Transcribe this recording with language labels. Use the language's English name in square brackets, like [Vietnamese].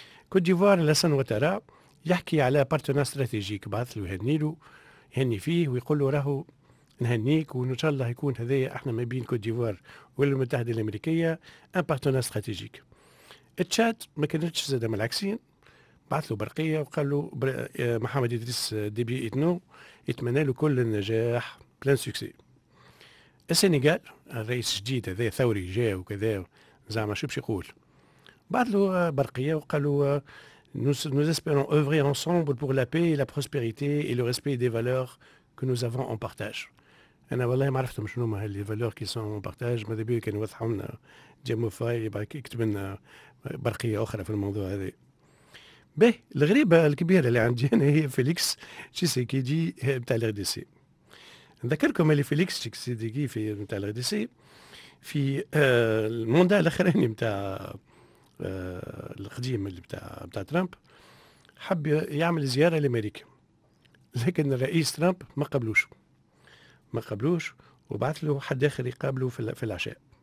[Arabic] كوت ديفوار لسان وترى يحكي على بارتنر استراتيجيك، بعث له يهني له يهني فيه ويقول له راهو نهنيك وان شاء الله يكون هذايا احنا ما بين كوت ديفوار والمتحده الامريكيه ان بارتنر استراتيجيك. تشاد ما كانتش زاده من العكسين، بعث له برقيه وقال له محمد ادريس دي بي اتنو يتمنى له كل النجاح بلان سكسي. السنغال الرئيس الجديد هذا ثوري جاء وكذا زعما شو باش يقول، بعد له برقيه وقالوا [French] nous espérons œuvrer ensemble pour la paix et la prospérité et le respect des valeurs que nous avons en partage. [Arabic] انا والله ما عرفتهم شنو هما [French] لي فالور كي سون اون بارتاج، [Arabic] ماذا بيه كان يوضحوا لنا جيمو فاي يكتب لنا برقيه اخرى في الموضوع هذا. به الغريبه الكبيره اللي عندي انا هي فيليكس تشيسيكيدي بتاع لي دي سي. نذكركم اللي فيليكس تشيسيكيدي في بتاع لي دي سي في الموندا الاخراني بتاع القديم اللي بتاع ترامب حب يعمل زيارة لأمريكا، لكن الرئيس ترامب ما قبلوش وبعث له حد آخر يقابله في العشاء.